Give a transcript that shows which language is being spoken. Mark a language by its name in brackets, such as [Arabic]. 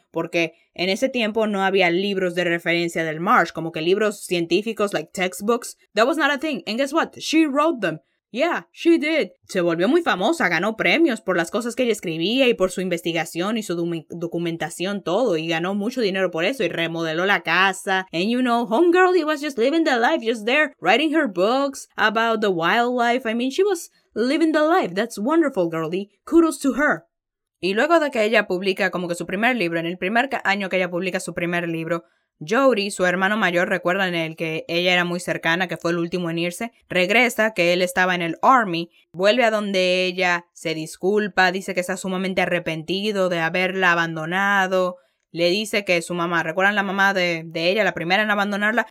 [Spanish] Porque en ese tiempo no había libros de referencia del marsh. Como que libros científicos, [English] like textbooks. That was not a thing. And guess what? She wrote them. Yeah, she did. [Spanish] Se volvió muy famosa, ganó premios por las cosas que ella escribía y por su investigación y su documentación, todo. Y ganó mucho dinero por eso y remodeló la casa. [English] And you know, homegirl, he was just living the life, just there, writing her books about the wildlife. I mean, she was living the life. That's wonderful, girlie. Kudos to her. [Spanish] Y luego de que ella publica como que su primer libro, en el primer año que ella publica su primer libro, Jody, su hermano mayor, recuerda en el que ella era muy cercana, que fue el último en irse, regresa, que él estaba en el Army, vuelve a donde ella, se disculpa, dice que está sumamente arrepentido de haberla abandonado, le dice que su mamá, ¿recuerdan la mamá de ella, la primera en abandonarla?